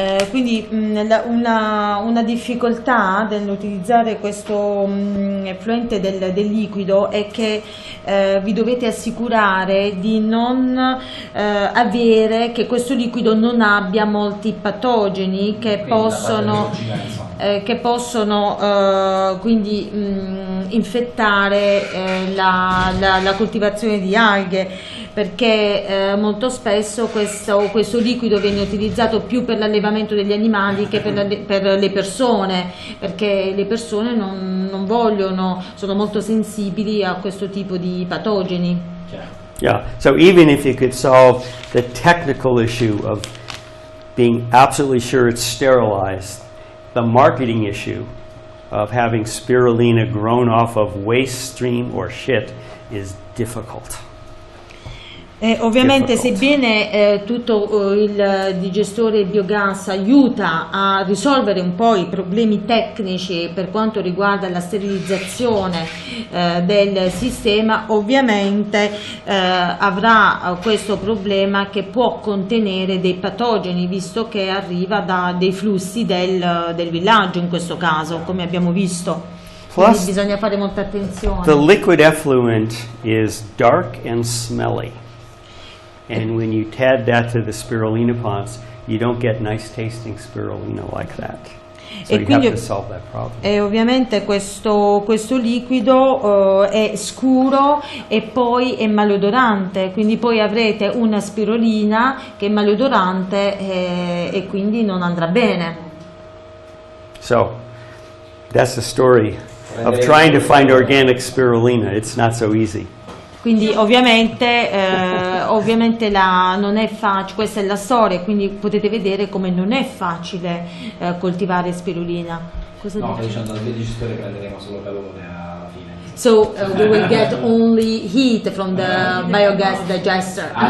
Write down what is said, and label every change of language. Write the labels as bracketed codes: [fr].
[it] Quindi una difficoltà nell'utilizzare questo effluente del liquido è che vi dovete assicurare di non avere, che questo liquido non abbia molti patogeni che possono infettare la coltivazione di alghe, perché molto spesso questo liquido viene utilizzato più per l'allevamento degli animali che per le persone, perché le persone non vogliono, sono molto sensibili a questo tipo di patogeni. [en] Yeah, so even if you could solve the technical issue of being absolutely sure it's sterilized, the marketing issue of having spirulina grown off of waste stream or shit is difficult. [it] Ovviamente sebbene tutto il digestore biogas aiuta a risolvere un po' i problemi tecnici per quanto riguarda la sterilizzazione del sistema, ovviamente avrà questo problema che può contenere dei patogeni, visto che arriva da dei flussi del villaggio, in questo caso, come abbiamo visto. [en] Plus, [it] quindi bisogna fare molta attenzione. [en] The liquid effluent is dark and smelly. And when you add that to the spirulina pots, you don't get nice tasting spirulina like that. So [it] e [en] you [it] quindi, [en] have to solve that problem. [it] E ovviamente questo liquido è scuro e poi è malodorante, quindi poi avrete una spirulina che è malodorante e quindi non andrà bene. [en] So, that's the story of trying to find organic spirulina. It's not so easy. [it] Quindi ovviamente, ovviamente non è facile, questa è la storia, quindi potete vedere come non è facile coltivare spirulina. Cosa no, dicendo al digestore prenderemo solo calore alla fine. [en] So we will get only heat from the biogas digester.